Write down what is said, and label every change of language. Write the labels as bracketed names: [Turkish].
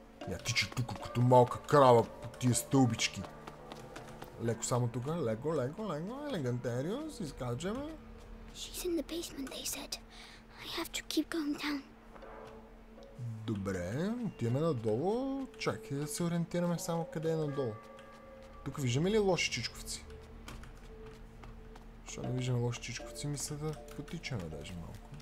[Bulgarian] Я тича тук като малка крава по тия стълбички. Леко само тук, леко, елегантериус, изкачваме. [English] She's in the basement, they said. I have to keep going down. [Bulgarian] Добре, отиваме надолу. Чакай да се ориентираме само къде е надолу. Тук виждаме ли лоши чичковци? Защо не виждаме лоши чичковци, мисля да потичаме даже малко.